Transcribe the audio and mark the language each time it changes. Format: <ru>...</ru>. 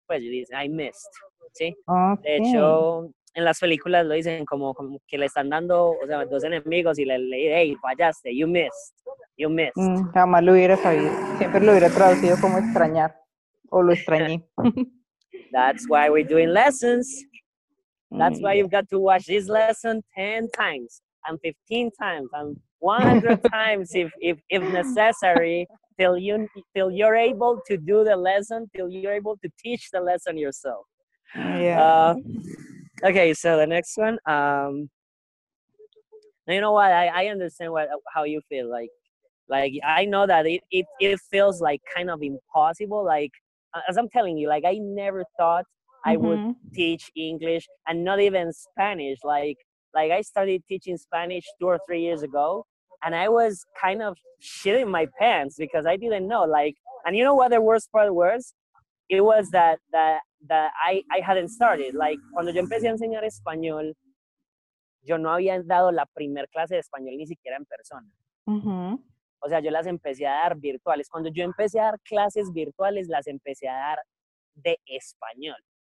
<es>Pues yo dices,</es> <en>I missed.</en> <es>¿Sí?</es> <en>Okay.</en> <es>De hecho, en las películas lo dicen como que le están dando, o sea, dos enemigos y le dicen, hey, fallaste,</es> <en>you missed.</en> <es>Jamás lo hubiera sabido. Siempre lo hubiera traducido como extrañar o lo extrañé.</es> <en>That's why we're doing lessons. That's why you've got to watch this lesson 10 times and 15 times and 100 times if necessary till you're able to do the lesson, till you're able to teach the lesson yourself. Yeah. Okay, so the next one. You know what? I understand how you feel. Like I know that it feels like kind of impossible. Like, as I'm telling you, like, I never thought I would teach English and not even Spanish. Like I started teaching Spanish 2 or 3 years ago, and I was kind of shitting my pants because I didn't know. Like, and you know what the worst part was? It was that I hadn't started.</en> <es>Like, cuando yo empecé a enseñar español, yo no había dado la primer clase de español ni siquiera en persona. O sea, yo las empecé a dar virtuales. Cuando yo empecé a dar clases virtuales, las empecé a dar de español.</es>